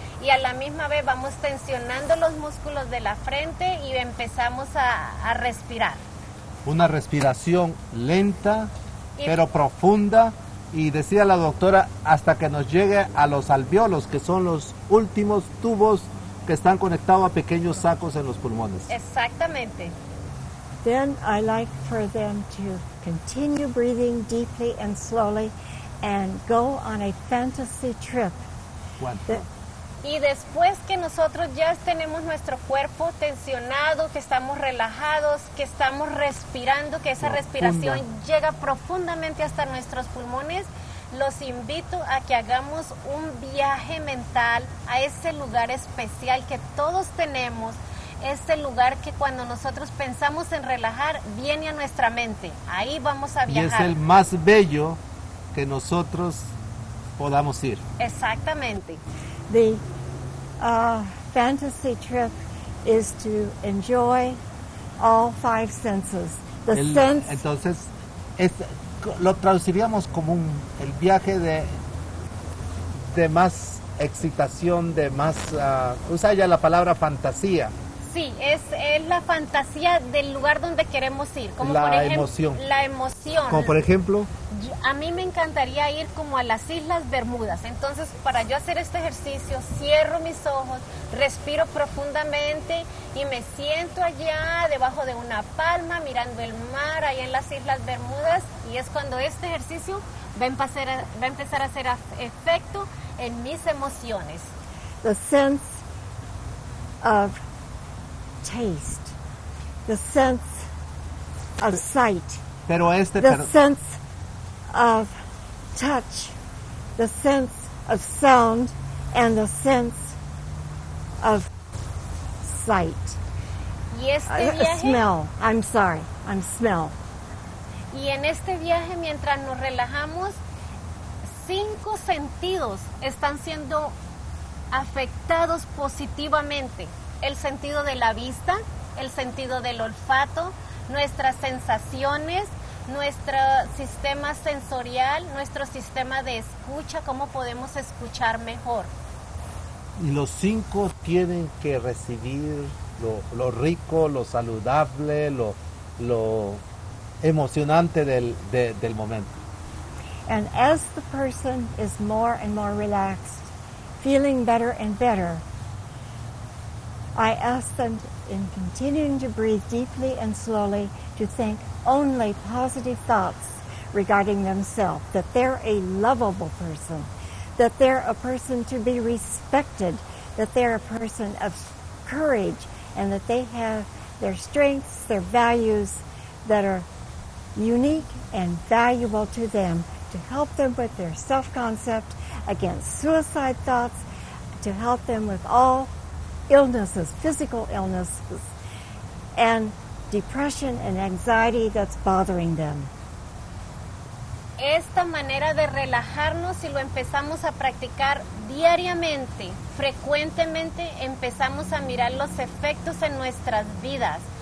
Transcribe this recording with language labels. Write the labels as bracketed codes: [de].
[es] Y a la misma vez vamos tensionando los músculos de la frente y empezamos a respirar. Una respiración lenta, pero profunda. Y decía la doctora, hasta que nos llegue a los alveolos, que son los últimos tubos que están conectados a pequeños sacos en los pulmones. Exactamente. [en] Then I like for them to continue breathing deeply and slowly and go on a fantasy trip. [es] Y después que nosotros ya tenemos nuestro cuerpo tensionado, que estamos relajados, que estamos respirando, que esa respiración llega profundamente hasta nuestros pulmones, los invito a que hagamos un viaje mental a ese lugar especial que todos tenemos, ese lugar que cuando nosotros pensamos en relajar, viene a nuestra mente. Ahí vamos a viajar. Y es el más bello que nosotros podamos ir. Exactamente. [en] The fantasy trip is to enjoy all five senses. [es] Entonces, lo traduciríamos como el viaje de más excitación, de más, usa ya la palabra fantasía. Sí, es la fantasía del lugar donde queremos ir. Como la por ejemplo, emoción. La emoción. Como por ejemplo. A mí me encantaría ir como a las Islas Bermudas. Entonces, para yo hacer este ejercicio, cierro mis ojos, respiro profundamente y me siento allá debajo de una palma mirando el mar ahí en las Islas Bermudas. Y es cuando este ejercicio va a empezar a hacer efecto en mis emociones. [en] The sense of taste, the sense of sight, sense of touch, the sense of sound, and the sense of sight. [es] Y este viaje, [en] smell. [es] Y en este viaje, mientras nos relajamos, cinco sentidos están siendo afectados positivamente. El sentido de la vista, el sentido del olfato, nuestras sensaciones, nuestro sistema sensorial, nuestro sistema de escucha, cómo podemos escuchar mejor. Y los cinco tienen que recibir lo rico, lo saludable, lo emocionante del momento. [en] And as the person is more and more relaxed, feeling better and better, I ask them, in continuing to breathe deeply and slowly, to think only positive thoughts regarding themselves, that they're a lovable person, that they're a person to be respected, that they're a person of courage, and that they have their strengths, their values that are unique and valuable to them, to help them with their self-concept against suicide thoughts, to help them with all illnesses, physical illnesses, and depression and anxiety that's bothering them. [es] Esta manera de relajarnos, si lo empezamos a practicar diariamente, frecuentemente, empezamos a mirar los efectos en nuestras vidas.